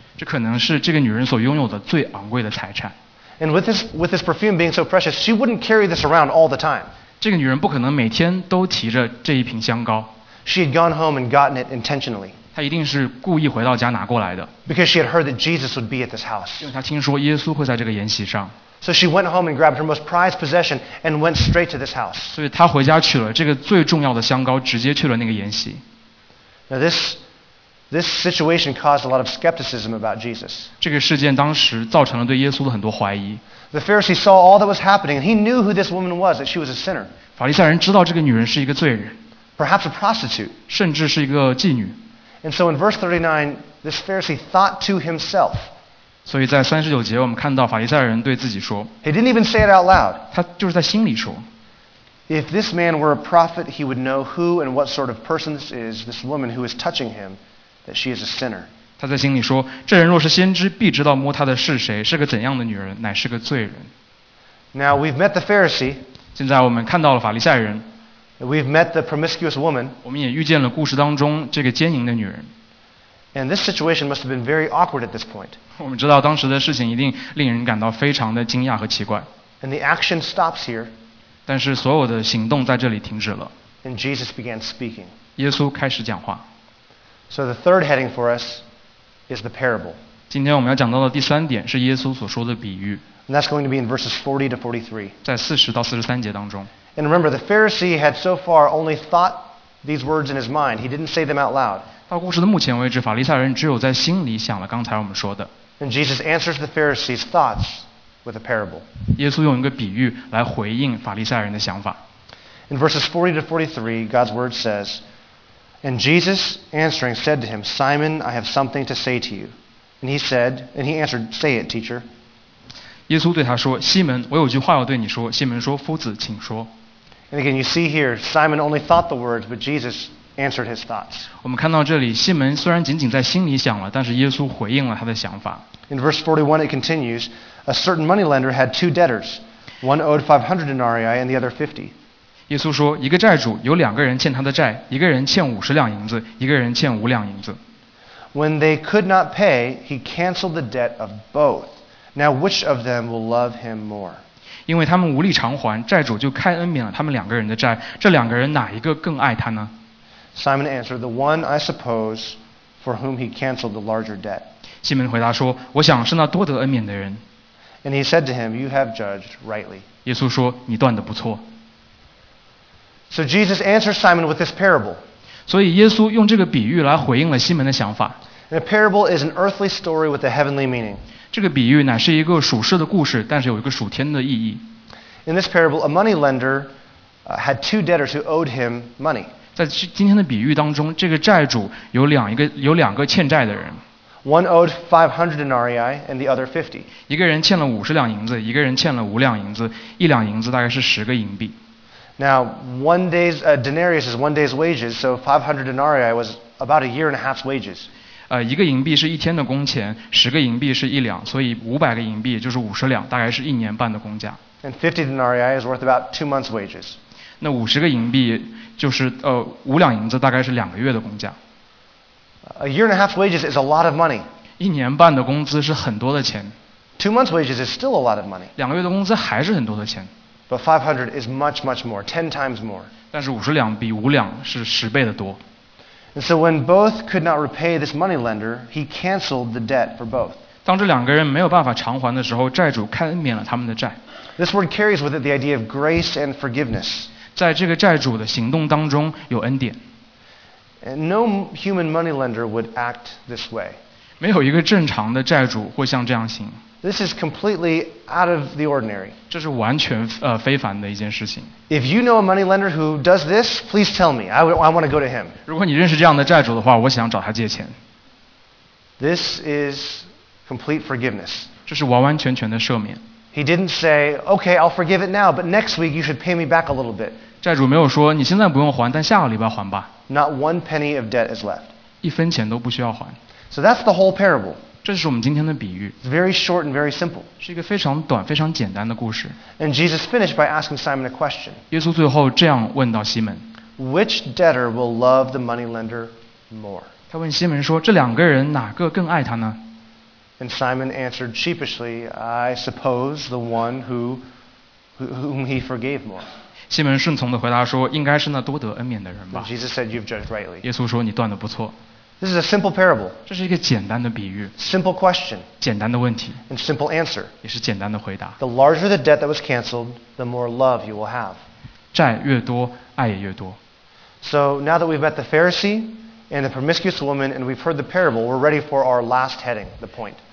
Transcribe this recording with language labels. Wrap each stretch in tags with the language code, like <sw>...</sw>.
<zh>这可能是这个女人所拥有的最昂贵的财产。</zh> <en>And with this perfume being so precious, she wouldn't carry this around all the time.</en> <zh>这个女人不可能每天都提着这一瓶香膏。</zh> <en>She had gone home and gotten it intentionally.</en> <zh>她一定是故意回到家拿过来的。</zh> <en>Because she had heard that Jesus would be at this house.</en> <zh>因为她听说耶稣会在这个筵席上。</zh> <en>So she went home and grabbed her most prized possession and went straight to this house.</en> <zh>所以她回家取了这个最重要的香膏，直接去了那个筵席。</zh> <en>Now this situation caused a lot of skepticism about Jesus.</en> <zh>这个事件当时造成了对耶稣的很多怀疑。</zh> <en>The Pharisee saw all that was happening, and he knew who this woman was, that she was a sinner.</en> <zh>法利赛人知道这个女人是一个罪人。</zh> <en>Perhaps a prostitute.</en> <zh>甚至是一个妓女。</zh> <en>And so in verse 39, this Pharisee thought to himself.</en> <zh>所以在39节我们看到法利赛人对自己说。</zh> <en>He didn't even say it out loud.</en> <zh>他就是在心里说。</zh> <en>If this man were a prophet, he would know who and what sort of person this is, this woman who is touching him, that she is a sinner.</en> <zh>他在心里说，这人若是先知，必知道摸他的是谁，是个怎样的女人，乃是个罪人。</zh> <en>Now we've met the Pharisee.</en> <zh>现在我们看到了法利赛人。</zh> <en>We've met the promiscuous woman.</en> <zh>我们也遇见了故事当中这个奸淫的女人。</zh> <en>And this situation must have been very awkward at this point.</en> <zh>我们知道当时的事情一定令人感到非常的惊讶和奇怪。</zh> <en>And the action stops here.</en> <zh>但是所有的行动在这里停止了。</zh> <en>And Jesus began speaking.</en> <zh>耶稣开始讲话。</zh> <en>So the third heading for us. Is the parable.</en> <zh>今天我们要讲到的第三点是耶稣所说的比喻。</zh> <en>And that's going to be in verses 40 to 43.</en> <zh>在40到43节当中。</zh> <en>And remember, the Pharisee had so far only thought these words in his mind. He didn't say them out loud.</en> <zh>到故事的目前为止，法利赛人只有在心里想了刚才我们说的。</zh> <en>And Jesus answers the Pharisee's thoughts with a parable.</en> <zh>耶稣用一个比喻来回应法利赛人的想法。</zh> <en>In verses 40 to 43, God's word says,And Jesus, answering, said to him, Simon, I have something to say to you. And he said, and he answered, Say it, teacher.</en> <zh>耶稣对他说，西门，我有句话要对你说。西门说，夫子，请说。</zh> <en>And again, you see here, Simon only thought the words, but Jesus answered his thoughts.</en> <zh>我们看到这里，西门虽然仅仅在心里想了，但是耶稣回应了他的想法。</zh> <en>In verse 41, it continues, A certain moneylender had two debtors. One owed 500 denarii and the other 50.</en> <zh>耶稣说，一个债主有两个人欠他的债，一个人欠五十两银子，一个人欠五两银子。</zh> <en>When they could not pay, he canceled the debt of both. Now which of them will love him more?</en> <zh>因为他们无力偿还，债主就开恩免了他们两个人的债。这两个人哪一个更爱他呢？</zh> <en>Simon answered, the one, I suppose, for whom he canceled the larger debt.</en> <zh>西门回答说，我想是那多得恩免的人。</zh> <en>And he said to him, "You have judged rightly."</en> <zh>耶稣说，你断得不错。</zh> <en>So Jesus answered Simon with this parable.</en> <zh>所以耶稣用这个比喻来回应了西门的想法。</zh> <en>And a parable is an earthly story with a heavenly meaning.</en> <zh>这个比喻乃是一个属世的故事，但是有一个属天的意义。</zh> <en>In this parable, a money lender had two debtors who owed him money.</en> <zh>在今天的比喻当中，这个债主有两个欠债的人。</zh> <en>One owed 500 denarii and the other 50.</en> <zh>一个人欠了50两银子，一个人欠了5两银子，一两银子大概是10个银币。</zh> <en>Now, denarius is one day's wages, so 500 denarii was about a year and a half's wages.</en> <zh>一个银币是一天的工钱，十个银币是一两，所以500个银币就是50两，大概是一年半的工价。</zh> <en>And 50 denarii is worth about 2 months' wages.</en> <zh>那50个银币就是5两银子大概是2个月的工价。</zh> <en>A year and a half's wages is a lot of money.</en> <zh>一年半的工资是很多的钱。</zh> <en>2 months' wages is still a lot of money.</en> <zh>2个月的工资还是很多的钱。</zh> <en>But 500 is much, much more, 10 times more.</en> <zh>但是50两比5两是10倍的多。</zh> <en>And so when both could not repay this money lender, he canceled the debt for both.</en> <zh>当这两个人没有办法偿还的时候，债主开恩免了他们的债。</zh> <en>This word carries with it the idea of grace and forgiveness.</en> <zh>在这个债主的行动当中有恩典。</zh> <en>And no human money lender would act this way.</en> <zh>没有一个正常的债主会像这样行。</zh> <en>This is completely out of the ordinary.</en> <zh>这是完全非凡的一件事情。</zh> <en>If you know a money lender who does this, please tell me. I want to go to him.</en> <zh>如果你认识这样的债主的话，我想找他借钱。</zh> <en>This is complete forgiveness.</en> <zh>这是完完全全的赦免。</zh> <en>He didn't say, "Okay, I'll forgive it now, but next week you should pay me back a little bit."</en> <zh>债主没有说你现在不用还，但下个礼拜还吧。</zh> <en>Not one penny of debt is left.</en> <zh>一分钱都不需要还。</zh> <en>So that's the whole parable.</en> <zh>这是我们今天的比喻。</zh> <en>It's very short and very simple.</en> <zh>是一个非常短、非常简单的故事。</zh> <en>And Jesus finished by asking Simon a question.</en> <zh>耶稣最后这样问到西门。</zh> <en>Which debtor will love the money lender more?</en> <zh>他问西门说，这两个人哪个更爱他呢？</zh> <en>And Simon answered sheepishly, "I suppose the one whom he forgave more."</en> <zh>西门顺从地回答说，应该是那多得恩免的人吧。</zh> <en>And Jesus said, "You've judged rightly."</en> <zh>耶稣说，你断得不错。</zh> <en>This is a simple parable.</en> <zh>这是一个简单的比喻。</zh> <en>Simple question.</en> <zh>简单的问题。</zh> <en>And simple answer.</en> <zh>也是简单的回答。</zh> <en>The larger the debt that was canceled, the more love you will have.</en> <zh>债越多，爱也越多。</zh> <en>So now that we've met the Pharisee and the promiscuous woman, and we've heard the parable, we're ready for our last heading, the point.</en>